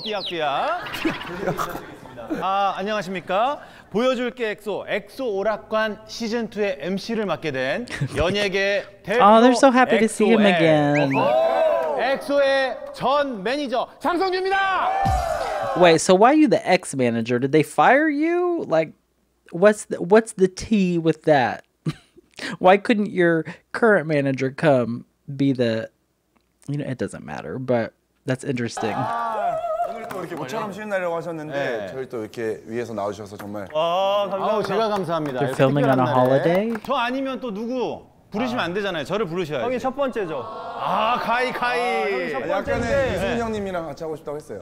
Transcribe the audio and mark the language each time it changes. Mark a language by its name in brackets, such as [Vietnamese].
[Korean] 삐약 삐약. 아, 안녕하십니까? 보여줄 게 엑소, 엑소 오락관 시즌 2의 MC를 맡게 된 연예계 대표 [English] Oh, they're so happy to see him again. [Korean] 엑소의 전 매니저 장성규입니다. [English] Wait, so why are you the ex manager? Did they fire you? Like, what's the tea with that? Why couldn't your current manager come? Be the, you know, it doesn't matter, but that's interesting. [Korean] 오늘 또 이렇게 모처럼 쉬는 날이라고 하셨는데 저희 또 이렇게 위에서 나오셔서 정말 아 감사합니다. 제가 감사합니다. [English] They're filming on a holiday. [Korean] 저 아니면 또 누구 부르시면 안 되잖아요. 저를 부르셔야 형이 첫 번째죠. 아 가이 가이. 약간의 이수민 형님이랑 같이 하고 싶다고 했어요.